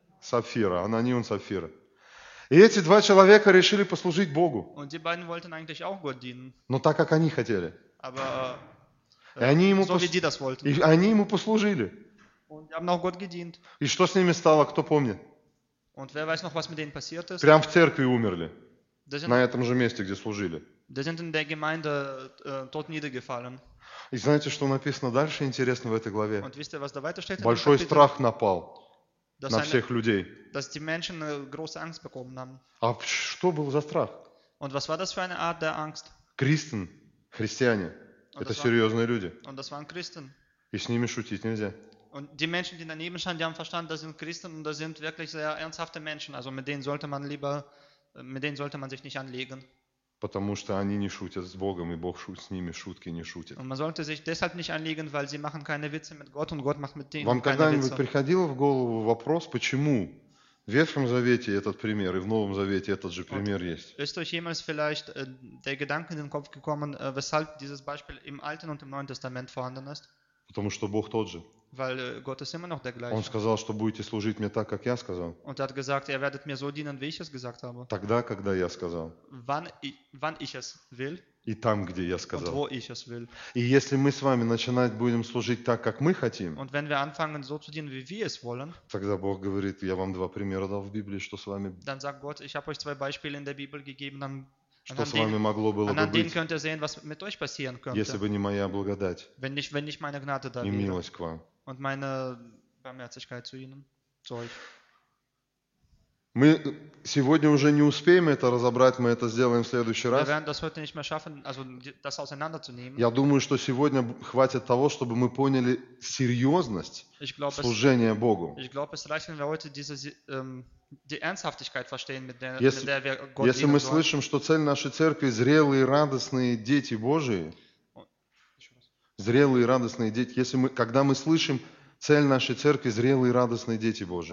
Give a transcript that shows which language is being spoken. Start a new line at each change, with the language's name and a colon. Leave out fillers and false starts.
Russian: Анани он Сапфира. И эти два человека решили послужить Богу.
German: Und die beiden wollten eigentlich auch Gott dienen.
Russian: Но так, как они хотели.
German: Aber,
Russian: И они ему послужили.
German: Und die haben auch Gott gedient.
Russian: И что с ними стало, кто помнит?
German: Und wer weiß noch, was mit denen passiert ist?
Russian: Прямо в церкви умерли. На этом же месте, где служили.
German: Die sind in der Gemeinde tot niedergefallen.
Russian: И знаете, что написано дальше, интересно, в этой главе?
German: Und wisst ihr, was da weiter steht?
Russian: Большой страх напал на всех людей.
German: Dass die Menschen große Angst bekommen haben.
Russian: А что был за страх?
German: Und was war das für eine Art der Angst? Christen,
Russian: христиане. Это серьезные люди.
German: Und das waren Christen.
Russian: И с ними шутить нельзя.
German: Und die Menschen, die daneben standen, die haben verstanden, das sind Christen und das sind wirklich sehr ernsthafte Menschen. Also mit denen sollte man sich nicht anlegen.
Russian: Потому что они не шутят с Богом, и Бог с ними шутки не шутит.
German: Und man sollte sich deshalb nicht anlegen, weil sie machen keine Witze mit Gott und Gott macht mit denen
Russian: Вам
German: keine Witze.
Russian: Вам когда-нибудь приходил в голову вопрос, почему в Ветхом Завете этот пример и в Новом Завете этот же пример
German: und
Russian: есть?
German: Ist euch jemals vielleicht der Gedanke in den Kopf gekommen, weshalb dieses Beispiel im Alten und im Neuen Testament vorhanden ist?
Russian: Потому что Бог тот же.
German: Weil Gott ist immer noch der gleiche.
Russian: Он сказал, что будете служить мне так, как я сказал.
German: Und hat gesagt, ihr werdet mir so dienen, wie ich es gesagt habe.
Russian: Тогда, когда я сказал.
German: Wann ich es will.
Russian: И там, где я сказал.
German: Und wo ich es will.
Russian: И если мы с вами начинать будем служить так, как мы хотим.
German: Und wenn wir anfangen, so zu dienen, wie wir es wollen.
Russian: Тогда Бог говорит, я вам два примера дал в Библии, что с вами.
German: Dann sagt Gott, ich habe euch zwei Beispiele in der Bibel gegeben, dann
Russian: Что с вами могло было бы быть,
German: könnt ihr sehen, was mit euch passieren könnte,
Russian: если бы не моя благодать
German: wenn nicht meine Gnade da
Russian: и милость к вам.
German: Und meine Barmherzigkeit zu ihnen, zu euch.
Russian: Мы сегодня уже не успеем это разобрать, мы это сделаем в следующий раз.
German: Wir werden das heute nicht mehr schaffen, also das auseinanderzunehmen.
Russian: Я думаю, что сегодня хватит того, чтобы мы поняли серьезность служения Богу.
German: Ich glaube, es reicht, wenn wir heute diese die Ernsthaftigkeit verstehen, mit der, wir Gott dienen.
Russian: Если мы слышим, что цель нашей церкви зрелые, радостные дети Божии, зрелые, радостные дети, если мы, когда мы слышим цель нашей церкви, зрелые, радостные дети Божии.